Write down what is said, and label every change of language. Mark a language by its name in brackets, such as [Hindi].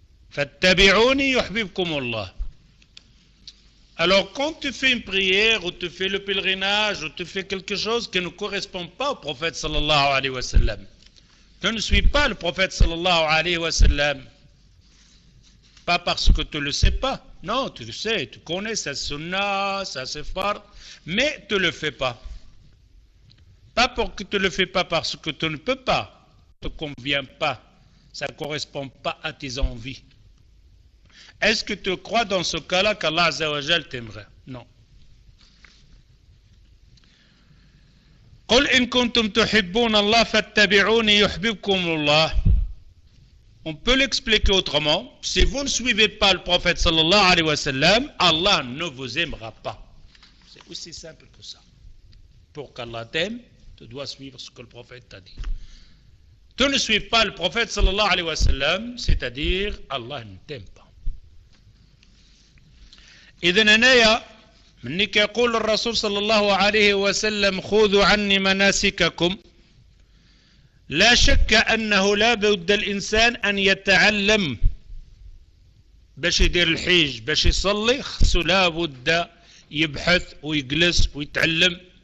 [Arabic] Fattabi'uni yuhibbukum Allah. [French] Alors, quand tu fais une prière, ou tu fais le pèlerinage, ou tu fais quelque chose qui ne correspond pas au prophète sallallahu alayhi wa sallam, tu ne suis pas le prophète sallallahu alayhi wa sallam, pas parce que tu ne le sais pas, non, tu le sais, tu connais sa sunnah, sa sefar, mais tu ne le fais pas. Pas pour que tu ne le fais pas parce que tu ne peux pas, ça ne te convient pas, ça ne correspond pas à tes envies. Est-ce que tu crois dans ce cas-là qu'Allah Azza wa Jal t'aimerait? Non. [Arabic] قل إن كنتم تحبون الله فاتبعوني يحببكم الله. [French] On peut l'expliquer autrement. Si vous ne suivez pas le prophète sallallahu alayhi wa sallam, Allah ne vous aimera pas. C'est aussi simple que ça. Pour qu'Allah t'aime, tu dois suivre ce que le prophète t'a dit. Tu ne suis pas le prophète sallallahu alayhi wa sallam, c'est-à-dire Allah ne t'aime pas. [Arabic] إذن هنايا مني كيقول الرسول صلى الله عليه وسلم خذوا عني مناسككم لا شك أنه لا بد الإنسان أن يتعلم باش يدير الحج باش يصلي خصو لا بد يبحث ويجلس ويتعلم